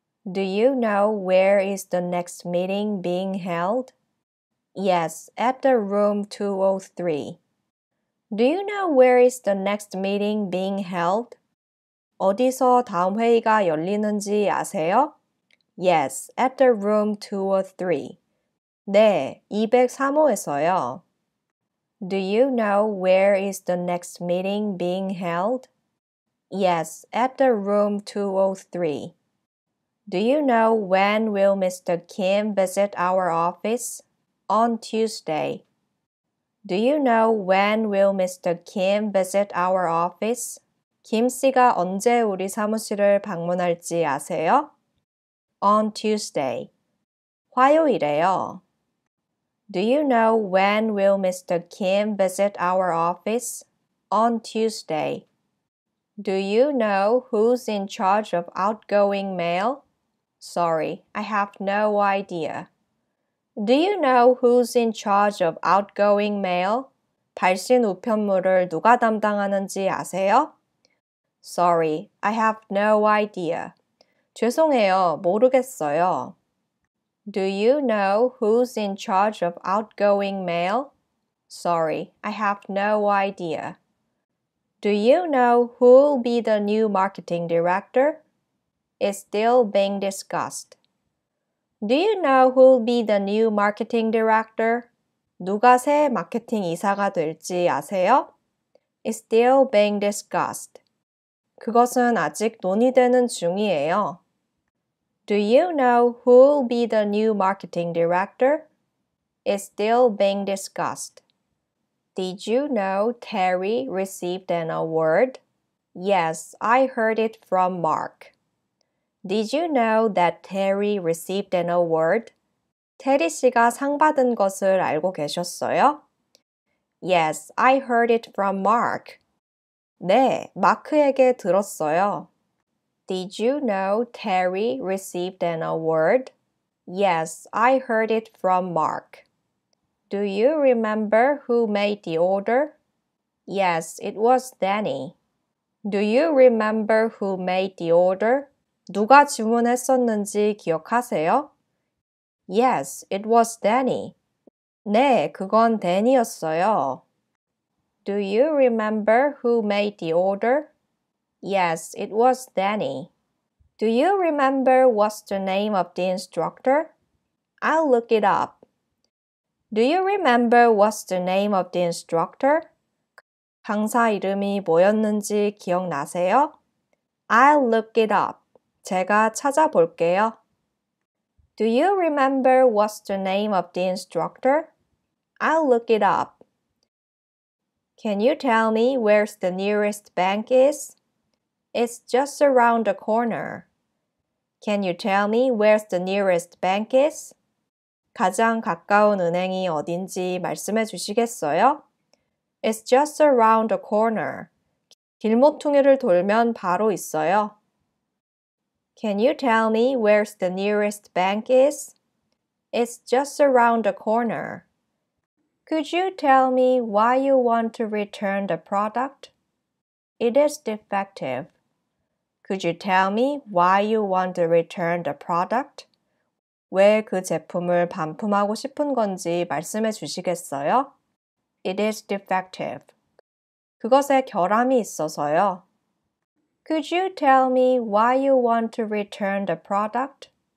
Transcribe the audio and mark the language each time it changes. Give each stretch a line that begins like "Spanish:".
English: Do you know where is the next meeting being held? Yes, at the room 203. Do you know where is the next meeting being held?
Korean: 어디서 다음 회의가 열리는지 아세요?
English: Yes, at the room 203.
Korean: 네, 203호에서요.
English: Do you know where is the next meeting being held? Yes, at the room 203. Do you know when will Mr. Kim visit our office? On Tuesday. Do you know when will Mr. Kim visit our office?
Korean: 김 씨가 언제 우리 사무실을 방문할지 아세요?
English: On Tuesday.
Korean: 화요일에요.
English: Do you know when will Mr. Kim visit our office? On Tuesday. Do you know who's in charge of outgoing mail? Sorry, I have no idea. Do you know who's in charge of outgoing mail?
Korean: 발신 우편물을 누가 담당하는지 아세요?
English: Sorry, I have no idea.
Korean: 죄송해요, 모르겠어요.
English: Do you know who's in charge of outgoing mail? Sorry, I have no idea. Do you know who'll be the new marketing director? It's still being discussed. Do you know who'll be the new marketing director?
Korean: 누가 새 마케팅 이사가 될지 아세요?
English: It's still being discussed.
Korean: 그것은 아직 논의되는 중이에요.
English: Do you know who'll be the new marketing director? It's still being discussed. Did you know Terry received an award? Yes, I heard it from Mark. Did you know that Terry received an award?
Korean: 테리 씨가 상 받은 것을 알고 계셨어요?
English: Yes, I heard it from Mark.
Korean: 네, 마크에게 들었어요.
English: Did you know Terry received an award? Yes, I heard it from Mark. Do you remember who made the order? Yes, it was Danny. Do you remember who made the order?
Korean: 누가 주문했었는지 기억하세요?
English: Yes, it was Danny.
Korean: 네, 그건 Danny였어요.
English: Do you remember who made the order? Yes, it was Danny. Do you remember what's the name of the instructor? I'll look it up. Do you remember what's the name of the instructor?
Korean: 강사 이름이 뭐였는지 기억나세요?
English: I'll look it up.
Korean: 제가 찾아볼게요.
English: Do you remember what's the name of the instructor? I'll look it up. Can you tell me where's the nearest bank is? It's just around the corner. Can you tell me where's the nearest bank is?
Korean: 가장 가까운 은행이 어딘지 말씀해 주시겠어요?
English: It's just around the corner.
Korean: 길모퉁이를 돌면 바로 있어요.
English: Can you tell me where's the nearest bank is? It's just around the corner. Could you tell me why you want to return the product? It is defective. Could you tell me why you want to return the product?
Korean: 왜 그 제품을 반품하고 싶은 건지 말씀해 주시겠어요?
English: It is defective.
Korean: 그것에 결함이 있어서요.
English: Could you tell me why you want to return the product?